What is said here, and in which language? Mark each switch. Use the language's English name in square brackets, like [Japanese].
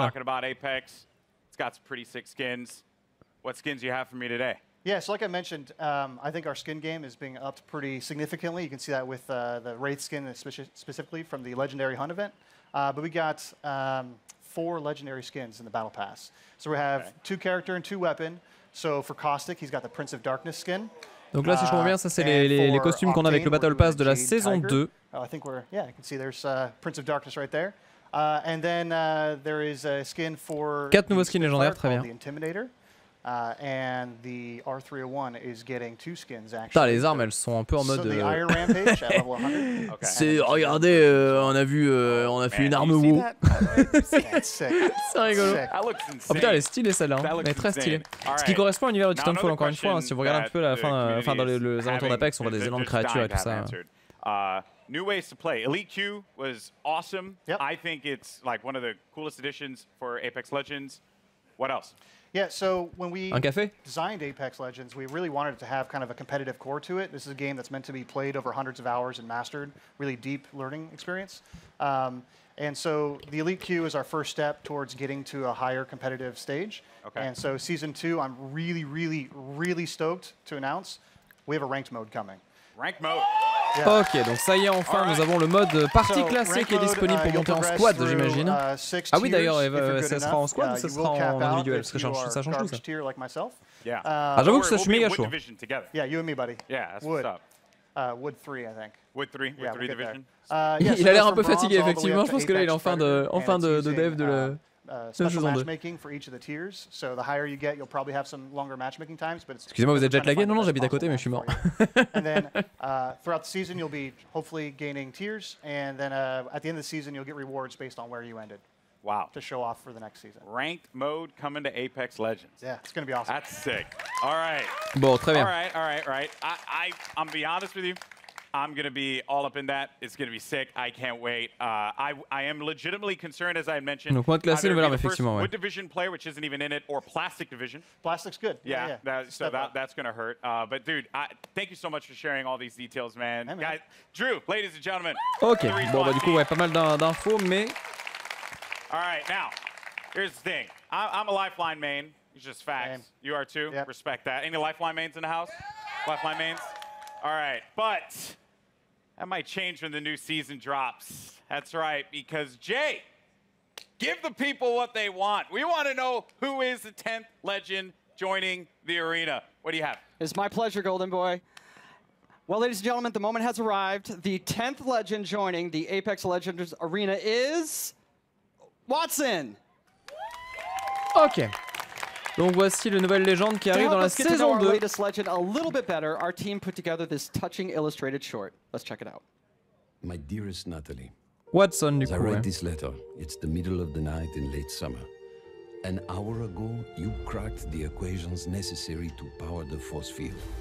[English] Talking about Apex, it's got some pretty sick skins. What skins you have for me today? Yeah, so like I mentioned, I think our skin game is being upped pretty significantly. You can see that with the Wraith skin, specifically from the Legendary Hunt event. But we got four Legendary skins in the Battle Pass. So we have two character and two weapon. So for Caustic, he's got the Prince of Darkness skin. [French] Donc là, si je comprends bien, ça, c'est les costumes qu'on a avec le Battle Pass de la saison 2. [English] Oh, I think we're, yeah, you can see there's Prince of Darkness right there. And then there is a skin for... [French] Quatre nouveaux skins légendaires, très bien. [English] The Intimidator. And the R301 is getting two skins, actually. [French] Les armes, elles sont un peu en mode... [English] So the Iron Rampage at level 100. [French] C'est, regardez, on a vu, on a fait une arme WoW. C'est rigolo. Oh putain, elle est stylée, celle-là. Elle est très stylée. Ce qui correspond à l'univers de Titanfall, encore une fois, si vous regardez un peu la fin, enfin, dans les alentours d'Apex, on voit des énormes créatures et tout ça. [English] New ways to play. Elite Queue was awesome. I think it's like one of the coolest additions for Apex Legends. What else? Yeah, so when we designed Apex Legends, we really wanted it to have kind of a competitive core to it. This is a game that's meant to be played over hundreds of hours and mastered, really deep learning experience. And so the Elite Queue is our first step towards getting to a higher competitive stage. Okay. And so Season 2, I'm really, really, really stoked to announce we have a ranked mode coming. Ranked mode. Yeah. [French] Ok, donc ça y est, enfin, nous avons le mode partie classée qui est disponible pour monter en squad, j'imagine. Ah oui, d'ailleurs, ça sera en squad ou ça sera en individuel? Parce que ça change tout, ça. [English] Like yeah. [French] Ah, j'avoue que ça, je suis méga chaud. [English] Yeah, you and me, buddy. Yeah, that's what's up. Wood 3, I think. Wood 3, Wood 3 division. [French] Il a l'air un peu fatigué, effectivement. Je pense que là, il est en fin de dev de la saison 2. Excusez-moi, vous êtes jet lagué? Non, j'habite à côté, mais je suis mort. [English] And then, throughout the season, you'll be hopefully gaining tiers, and then at the end of the season, you'll get rewards based on where you ended. Wow. To show off for the next season. Ranked mode coming to Apex Legends. Yeah, it's going to be awesome. That's sick. All right. [French] Bon, très bien. [English] All right. I'm going to be honest with you. I'm going to be all up in that. It's going to be sick. I can't wait. I am legitimately concerned, as I mentioned. [French] Donc, mode classé, nouvelle arme, effectivement. [English] Wood Division player, which isn't even in it, or Plastic Division. Plastic's good. Yeah. That's going to hurt. But, dude, thank you so much for sharing all these details, man. Hey, man. Guys, Drew, ladies and gentlemen. Okay. [French] Bon, du coup, ouais, pas mal d'infos, mais... [English] All right, now, here's the thing. I'm a Lifeline main. It's just facts. Same. You are too. Yep. Respect that. Any Lifeline mains in the house? Yeah. Lifeline mains? All right, but That might change when the new season drops. That's right, because Jay, give the people what they want. We want to know who is the 10th legend joining the arena. What do you have? It's my pleasure, Golden Boy. Well, ladies and gentlemen, the moment has arrived. The 10th legend joining the Apex Legends arena is Watson. Okay. [French] Donc voici le nouvel légende qui arrive dans la saison 2. [English] To help us know our latest legend a little bit better, our team put together this touching illustrated short. Let's check it out. My dearest Natalie. [French] Watson, du coup. [English] As I write this letter, it's the middle of the night in late summer. An hour ago, you cracked the equations necessary to power the force field.